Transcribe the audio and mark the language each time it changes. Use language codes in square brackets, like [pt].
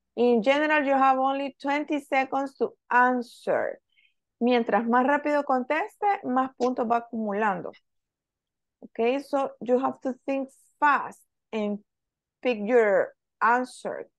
[en] In general, you have only 20 seconds to answer. [es] Mientras más rápido conteste, más puntos va acumulando. [en] Okay, so you have to think fast and pick your answer.